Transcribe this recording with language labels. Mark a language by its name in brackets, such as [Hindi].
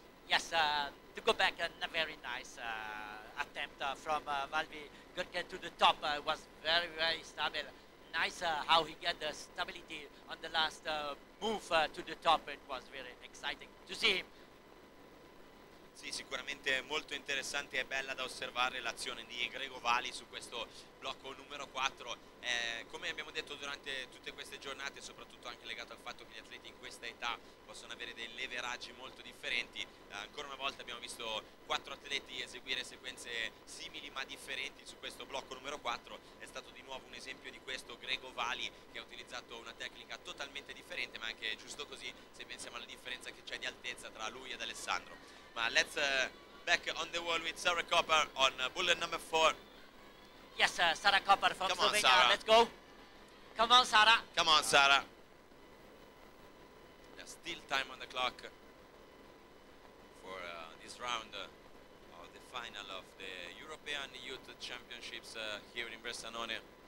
[English] Yes, to go back and very nice. Attempt from Valvi Görge to the top was very, very stable. Nice how he got the stability on the last move to the top. It was very exciting to see him. [Italian] Sì, sicuramente molto interessante e bella da osservare l'azione di Grego Vali su questo blocco numero 4. Come abbiamo detto durante tutte queste giornate, soprattutto anche legato al fatto che gli atleti in questa età possono avere dei leveraggi molto differenti, ancora una volta abbiamo visto 4 atleti eseguire sequenze simili ma differenti su questo blocco numero 4. È stato di nuovo un esempio di questo Grego Vali, che ha utilizzato una tecnica totalmente differente, ma anche giusto così se pensiamo alla differenza che c'è di altezza tra lui ed Alessandro. [English] Ma let's back on the wall with Sarah Copper on bullet number 4. Yes, Sarah Copper from Come Slovenia. On, let's go. Come on, Sarah. Come on, Sarah. There's still time on the clock for this round of the final of the European Youth Championships here in Bressanone.